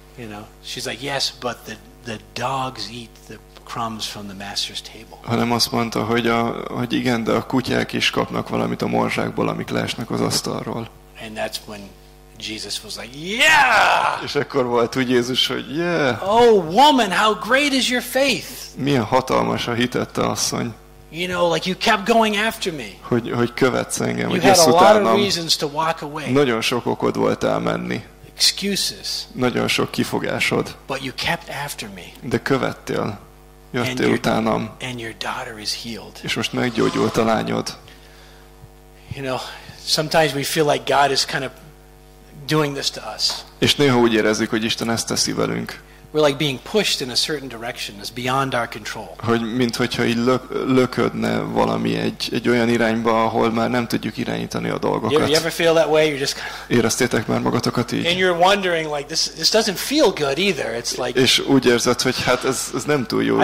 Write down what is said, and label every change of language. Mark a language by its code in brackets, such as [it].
[en] You know, she's like, yes, but the dogs eat the crumbs from the master's table. [hu] Hanem azt mondta, hogy igen, de a kutyák is kapnak valamit a morzsákból, amik leesnek az asztalról. [en] And that's when Jesus was like, yeah! [hu] És akkor volt úgy Jézus, hogy [en] yeah! Oh, woman, how great is your faith! [hu] Milyen hatalmas a hitet, te asszony! [en] You know, like you kept going after me. [hu] Hogy követsz engem, hogy jössz utánam. [en] You had a lot of reasons to walk away. [hu] Nagyon sok okod volt elmenni. [en] Excuses. [hu] Nagyon sok kifogásod. [en] But you kept after me. [hu] De követtél. Jöttél utánam. [en] And your daughter is healed. [hu] És most meggyógyult a lányod. [en] You know, sometimes we feel like God is kind of doing this to us. [hu] És néha úgy érezzük, hogy Isten ezt teszi velünk. [en] We're like being pushed in a certain direction that's beyond our control. [hu] Hogy mint hogyha így löködne valami egy olyan irányba, ahol már nem tudjuk irányítani a dolgokat. [en] You ever feel that way? You're just [hu] éreztétek már magatokat így? [en] And you're wondering like this doesn't feel good either. It's like [hu] és úgy érzed, hogy hát ez nem túl jó.